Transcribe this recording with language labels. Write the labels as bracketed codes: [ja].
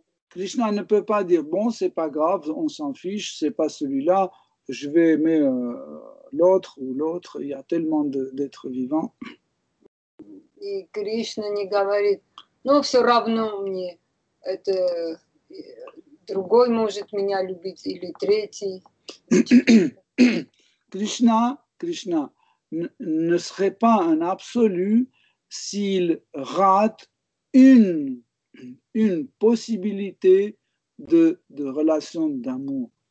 [fr] Krishna ne peut pas dire bon, c'est pas grave, on s'en fiche, c'est pas celui-là, je vais aimer l'autre ou l'autre, il y a tellement d'êtres vivants. [ru] И Кришна не говорит: ну все равно мне, это другой может меня любить или третий. [fr] Krishna ne serait pas un absolu s'il rate une possibilité de relation d'amour.